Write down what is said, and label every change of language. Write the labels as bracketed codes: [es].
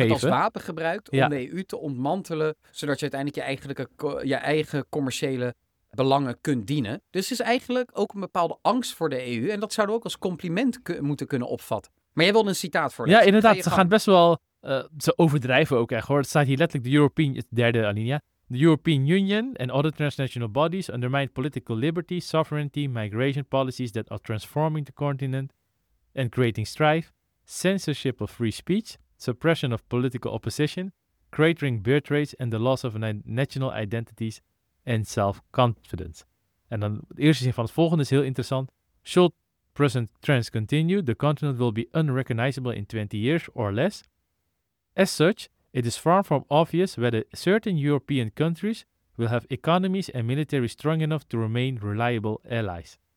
[nl] Hier wordt het als wapen gebruikt om de EU te ontmantelen. Zodat je uiteindelijk je eigen commerciële belangen kunt dienen. Dus het is eigenlijk ook een bepaalde angst voor de EU. En dat zouden we ook als compliment moeten kunnen opvatten. Maar jij wilde een citaat voorlezen. Ja, inderdaad. Ze gaan best wel. Ze overdrijven ook echt hoor. Het staat hier letterlijk de European. Het derde alinea. [en] The European Union and other transnational bodies undermine political liberty, sovereignty, migration policies that are transforming the continent and creating strife, censorship of free speech, suppression of political opposition, cratering birth rates and the loss of national identities and self-confidence. [nl] En dan de eerste zin van het volgende is heel interessant. Should present trends continue, the continent will be unrecognizable in 20 years or less. As such, it is far from obvious whether certain European countries will have economies and military strong enough to remain reliable allies.